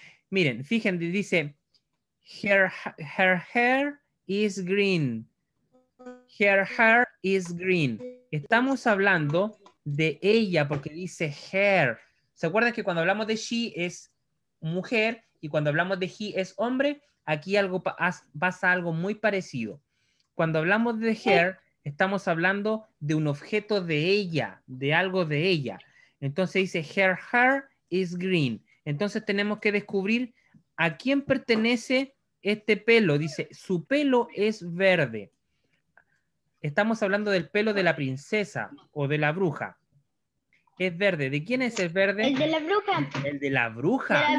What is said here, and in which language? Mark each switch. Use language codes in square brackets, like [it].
[es] Miren, fíjense, dice, [en] her hair is green. Her hair is green. [es] Estamos hablando de ella porque dice her. ¿Se acuerdan que cuando hablamos de she es mujer y cuando hablamos de he es hombre? Aquí algo pasa algo muy parecido. Cuando hablamos de her, estamos hablando de un objeto de ella, de algo de ella. Entonces dice, [en] her hair is green. [es] Entonces tenemos que descubrir a quién pertenece este pelo. Dice, su pelo es verde. Estamos hablando del pelo de la princesa o de la bruja. Es verde. ¿De quién es el verde? El de la bruja. El de la bruja.